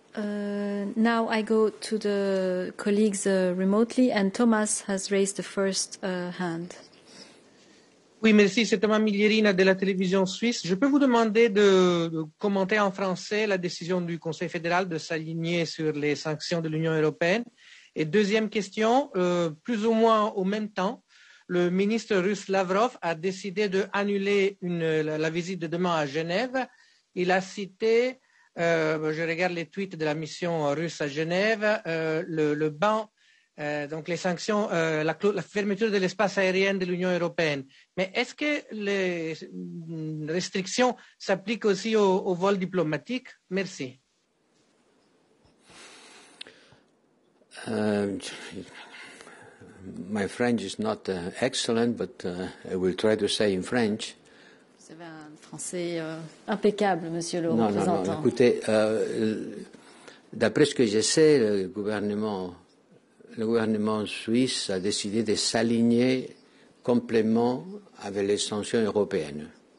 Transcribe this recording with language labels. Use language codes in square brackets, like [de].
[en] Now I go to the colleagues remotely, and Thomas has raised the first hand. [fr] Oui, merci. C'est Thomas Miglierina de la télévision suisse. Je peux vous demander de commenter en français la décision du Conseil fédéral de s'aligner sur les sanctions de l'Union européenne. Et deuxième question, plus ou moins au même temps, le ministre russe Lavrov a décidé d'annuler la visite de demain à Genève. Il a cité, je regarde les tweets de la mission russe à Genève, le banc. Donc les sanctions, la fermeture de l'espace aérien de l'Union européenne. Mais est-ce que les restrictions s'appliquent aussi aux vols diplomatiques? Merci. [en] My French is not excellent, but I will try to say in French. [fr] Vous avez un français impeccable, Monsieur le représentant. Non, écoutez, d'après ce que je sais, le gouvernement suisse a décidé de s'aligner complètement avec les sanctions européennes.